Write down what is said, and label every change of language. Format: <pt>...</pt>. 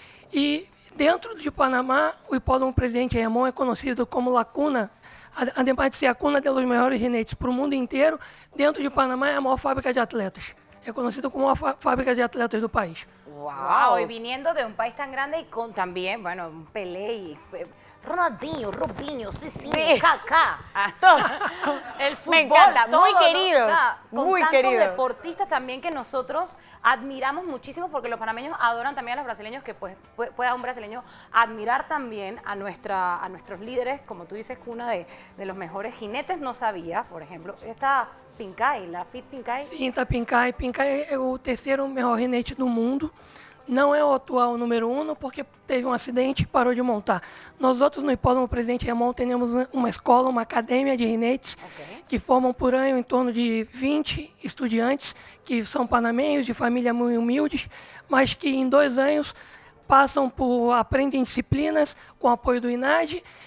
<pt>E dentro de Panamá, o Hipódromo Presidente Remón é conhecido como la cuna, além de ser a cuna dos melhores jinetes para o mundo inteiro, dentro de Panamá é a maior fábrica de atletas. É conhecido como a fábrica de atletas do país. Uau! E vindo de um país tão grande e com também, bueno, Pelé, Ronaldinho, Rubinho, Cicinho, sí. Kaká.</pt> <es>El fútbol, me encanta, todo, muy querido. ¿No? O sea, muy con querido. Tantos deportistas también que nosotros admiramos muchísimo porque los panameños adoran también a los brasileños, que pueda un brasileño admirar también a nuestros líderes, como tú dices, cuna de los mejores jinetes, no sabía, por ejemplo, esta Pincay, la Fit Pincay. Sí, está Pincay. Pincay es el tercero mejor jinete del mundo.</es> <pt>Não é o atual número um, porque teve um acidente e parou de montar. Nós outros, no Hipódromo Presidente Remón, temos uma escola, uma academia de rinetes, que formam por ano em torno de 20 estudantes, que são panamenhos, de família muito humilde, mas que em 2 anos passam por, aprendem disciplinas com apoio do INAD.</pt>